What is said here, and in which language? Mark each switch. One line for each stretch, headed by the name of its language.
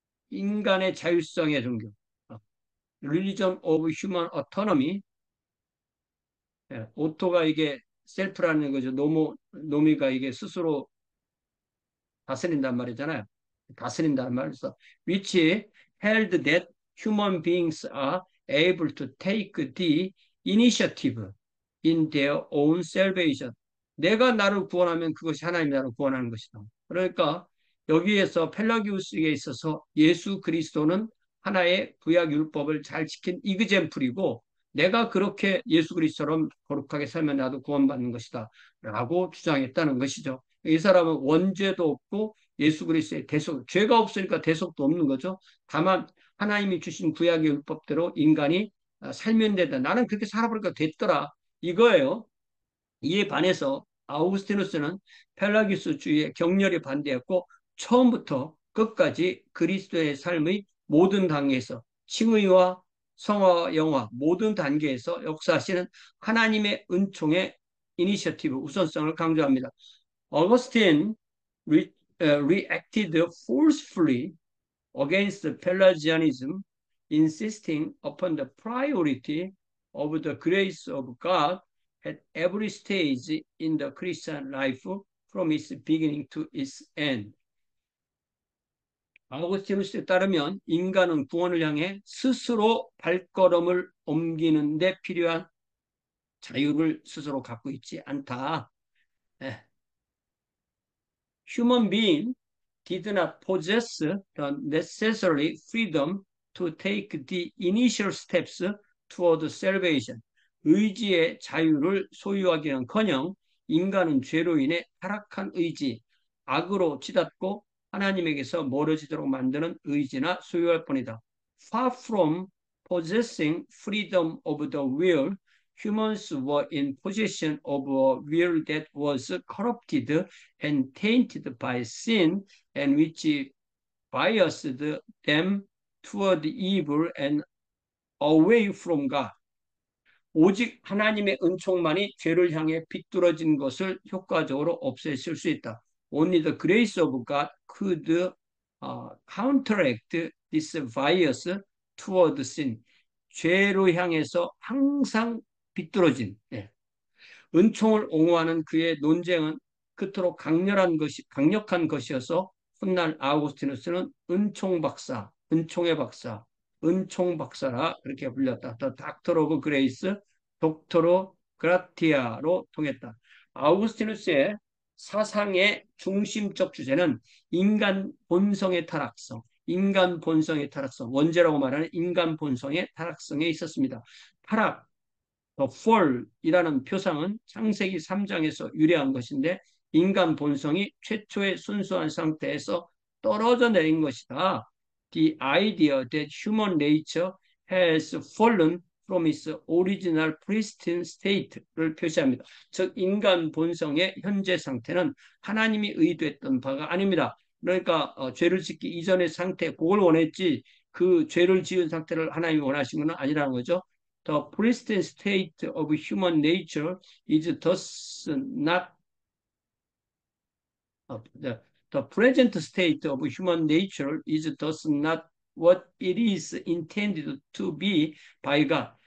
Korean: 인간의 자율성의 종교.
English: Religion of human autonomy.
Korean: 오토가 이게 셀프라는 거죠. 노미가 이게 스스로 다스린단 말이잖아요. 다스린다는 말에서
English: which held that human beings are able to take the initiative in their own salvation.
Korean: 내가 나를 구원하면 그것이 하나님이 나를 구원하는 것이다. 그러니까 여기에서 펠라기우스에게 있어서 예수 그리스도는 하나의 구약 율법을 잘 지킨 이그잼플이고, 내가 그렇게 예수 그리스도처럼 거룩하게 살면 나도 구원받는 것이다 라고 주장했다는 것이죠. 이 사람은 원죄도 없고 예수 그리스도의 대속, 죄가 없으니까 대속도 없는 거죠. 다만 하나님이 주신 구약의 율법대로 인간이 살면 된다. 나는 그렇게 살아보니까 됐더라. 이거예요. 이에 반해서 아우구스티누스는 펠라기우스주의에 격렬히 반대했고, 처음부터 끝까지 그리스도의 삶의 모든 단계에서, 칭의와 성화와 영화 모든 단계에서 역사하시는 하나님의 은총의 이니셔티브, 우선성을 강조합니다.
English: 어거스틴 reacted forcefully against Pelagianism, insisting upon the priority of the grace of God at every stage in the Christian life from its beginning to its end.
Korean: 아우구스티누스에 따르면 인간은 구원을 향해 스스로 발걸음을 옮기는 데 필요한 자유를 스스로 갖고 있지 않다.
English: Human being did not possess the necessary freedom to take the initial steps toward salvation.
Korean: 의지의 자유를 소유하기는커녕 인간은 죄로 인해 타락한 의지, 악으로 치닫고 하나님에게서 멀어지도록 만드는 의지나 소유할 뿐이다.
English: Far from possessing freedom of the will, humans were in possession of a will that was corrupted and tainted by sin and which biased them toward evil and away from God.
Korean: 오직 하나님의 은총만이 죄를 향해 비뚤어진 것을 효과적으로 없앴을 수 있다.
English: Only the grace of God could counteract this bias toward sin.
Korean: 죄로 향해서 항상 비뚤어진, 예. 은총을 옹호하는 그의 논쟁은 그토록 강력한 것이어서 훗날 아우구스티누스는 은총의 박사, 은총 박사라 그렇게 불렸다.
English: The Doctor of Grace, Doctor Gratia로
Korean: 통했다. 아우구스티누스의 사상의 중심적 주제는 인간 본성의 타락성, 인간 본성의 타락성, 원죄라고 말하는 인간 본성의 타락성에 있었습니다. 타락, the fall이라는 표상은 창세기 3장에서 유래한 것인데, 인간 본성이 최초의 순수한 상태에서 떨어져 내린 것이다.
English: The idea that human nature has fallen from its original pristine state를
Korean: 표시합니다. 즉, 인간 본성의 현재 상태는 하나님이 의도했던 바가 아닙니다. 그러니까 죄를 짓기 이전의 상태, 그걸 원했지 그 죄를 지은 상태를 하나님이 원하신 것은 아니라는 거죠.
English: The pristine state of human nature is thus not the present state of human nature is thus not what it is intended to be by God.